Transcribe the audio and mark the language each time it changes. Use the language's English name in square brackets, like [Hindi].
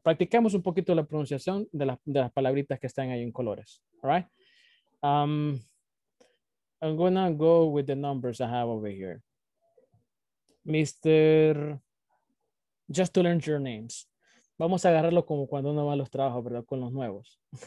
[Spanish] Practiquemos un poquito la pronunciación de las palabritas que están ahí en colores. [English] All right. I'm gonna go with the numbers I have over here. Mr. Just to learn your names. [Spanish] Vamos a agarrarlo como cuando uno va a los trabajos, ¿verdad? Con los nuevos.